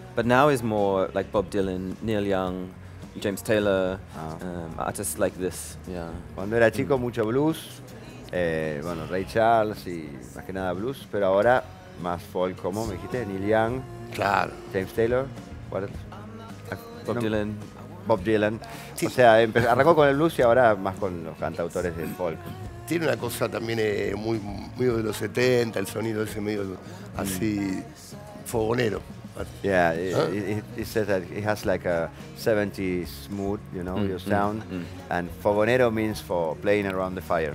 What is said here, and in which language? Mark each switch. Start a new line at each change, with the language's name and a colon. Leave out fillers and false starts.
English: But now is more like Bob Dylan, Neil Young, James Taylor, artists like this. Yeah.
Spanish: Cuando era chico mucho blues, bueno, Ray Charles y más que nada blues, pero ahora más folk, como me dijiste, Neil Young, claro,
English: James Taylor, what? Bob Dylan.
Spanish: Bob Dylan. Sí. O sea, arrancó con el blues y ahora más con los cantautores del folk. Tiene una cosa también muy, muy de los 70, el sonido ese medio así fogonero.
English: Yeah, he says that it has like a 70s mood, you know, your sound. And fogonero means for playing around the fire.